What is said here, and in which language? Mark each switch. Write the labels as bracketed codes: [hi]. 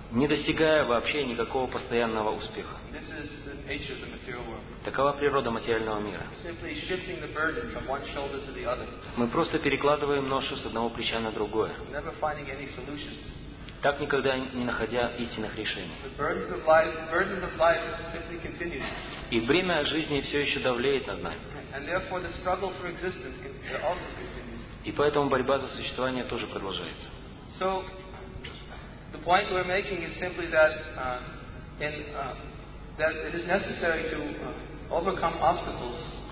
[ru] Не достигая вообще никакого постоянного успеха. [en] This is the nature of the material world. [ru] Такова природа материального мира. [en] Simply shifting the burden from one shoulder to the other. [ru] Мы просто перекладываем ношу с одного плеча на другое. [en] Never finding any solutions. [ru] Так никогда не находя истинных решений. [en] The burdens of life, burden of life simply continues. [ru] И бремя жизни все еще давлеет над нами. [en] And therefore the struggle for existence also continues. [ru] И поэтому борьба за существование тоже продолжается. [en] So the point we're making is simply that that it is necessary to overcome obstacles.